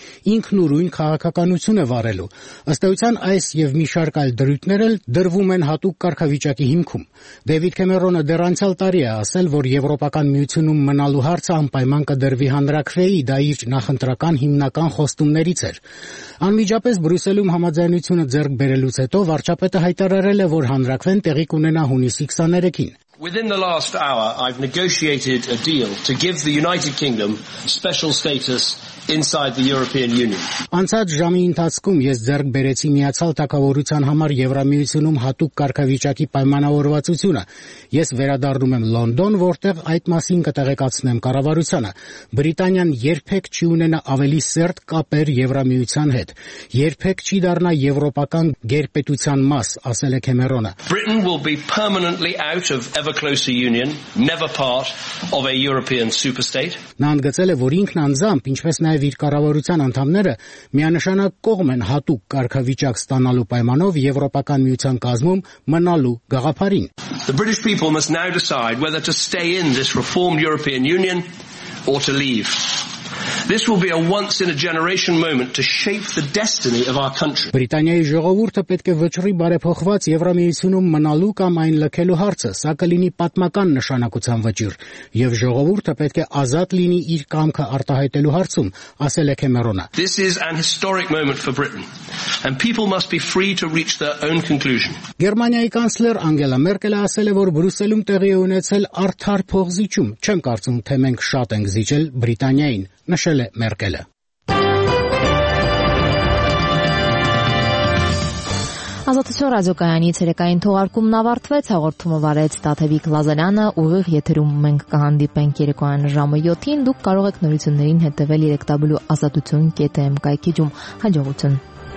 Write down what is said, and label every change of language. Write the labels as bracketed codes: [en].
[hy] ինքնուրույն քաղաքականություն է վարելու։ Ըստ էության, այս եւ մի շարք այլ դրույթներ էլ դրվում են հատուկ կարգավիճակի հիմքում։ Դևիդ Քեմերոնը դեռ անցյալ տարի է ասել, որ Եվրոպական Միությունում մնալու հարցը անպայման կդրվի հանրաքվեի, դա իր նախընտրական հիմնական խոստումներից էր։ Անմիջապես Բրյուսելում համաձայնությունը ձեռք բերելուց հետո վարչապետը հայտարարել է, որ հանրաքվեն տեղի կունենա հունիսի 23-ին։ [en] Within the last hour I've negotiated a deal to give the United Kingdom special status inside the European Union. [hy] Անցած ժամի ընթացքում ես ձեռք բերեցի Միացյալ Թագավորության համար Եվրամիությունում հատուկ կարգավիճակի պայմանավորվածությունը։ Ես վերադառնում եմ Լոնդոն, որտեղ այդ մասին կտեղեկացնեմ կառավարությանը։ Բրիտանիան երբեք չի ունենա ավելի սերտ կապեր Եվրամիության հետ։ Երբեք չի դառնա եվրոպական գերպետության մաս, ասել է Քեմերոնը։ [en] Britain will be permanently out of ever closer union, never part of a European superstate. [hy] Նա ընդգծել է, որ ինքն անձամբ, ինչպես նաև իր կառավարության անդամները, միանշանակ կողմ են հատուկ կարգավիճակ ստանալու պայմանով Եվրոպական Միության կազմում մնալու գաղափարին։ [en] The British people must now decide whether to stay in this reformed European Union or to leave. This will be a once in a generation moment to shape the destiny of our country. [hy] Բրիտանիայի ժողովուրդը պետք է վճռի բարեփոխված Եվրամիությունում մնալու կամ այն լքելու հարցը, սա կլինի պատմական նշանակության վճիռ, եւ ժողովուրդը պետք է ազատ լինի իր կամքը արտահայտելու հարցում, ասել է Քեմերոնը. [en] This is an historic moment for Britain, and people must be free to reach their own conclusion. [hy] Գերմանիայի կանցլեր Անգելա Մերկելը ասել է, որ Բրյուսելում տեղի ունեցել արդար փողզիչում, չեմ կարծում, թե մենք շատ ենք զիջել Բրիտանիային, նշել է Մերկելը. Ազատության ռադիոկայանից երեկային թողարկումն ավարտվեց, հաղորդումը վարեց Տաթևիկ Լազարյանը, ուղիղ եթերում մենք կհանդիպենք երեկոյան ժամը 7-ին, դուք կարող եք նորություններին հետևել www.azatutyun.am կայքի ջում, հաջողություն։